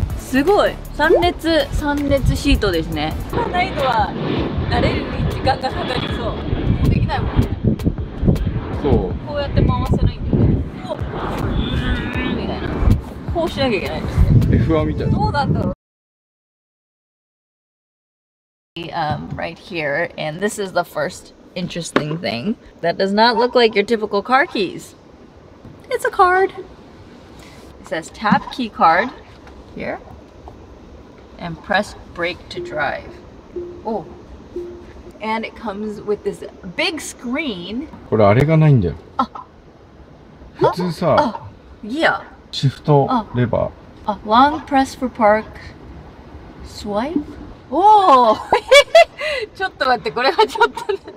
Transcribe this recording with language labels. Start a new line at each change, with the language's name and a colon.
Japanese: すごい。3列シートですね。難易度は慣れるに時間がかかりそう。もうできないもんね。そう、こうやって回せないんだよね。みたいな、こうしなきゃいけないですね。 F1 みたいな。どうなんだろう。
English: Right here, and this is the first interesting thing that does not look like your typical car keys. It's a card. Says tap key card here and press brake to drive. Oh, and it comes with this big screen.
Japanese: これあれがないんだよ。普通さ、シフトレバー。
English: あ、long press for park swipe.
Japanese: おお、ちょっと待って、これはちょっと。